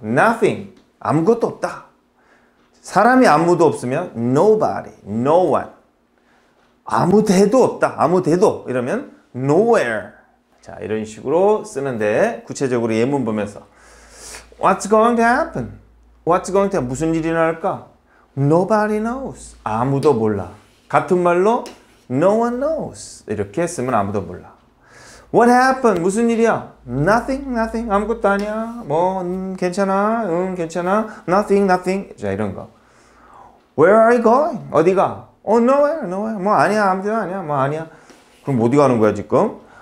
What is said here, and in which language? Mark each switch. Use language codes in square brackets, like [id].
[ko] nothing, 아무것도 없다. 사람이 아무도 없으면 nobody, no one. 아무 데도 없다. 아무 데도 이러면 nowhere. 자, 이런 식으로 쓰는데 구체적으로 예문 보면서 [en] What's going to happen? What's going to happen? [ko] 무슨 일이 일어날까? [en] Nobody knows. [ko] 아무도 몰라. [en] 같은 말로 No one knows. [ko] 이렇게 쓰면 아무도 몰라. [en] What happened? [ko] 무슨 일이야? [en] Nothing, nothing. [ko] 아무것도 아니야. 뭐 괜찮아. 괜찮아. [en] Nothing, nothing. [ko] 자, 이런 거. [en] Where are you going? [ko] 어디 가? [en] Oh, nowhere, nowhere. [ko] 뭐 아니야. 아무데나 아니야. 뭐 아니야. 그럼 어디 가는 거야, 지금?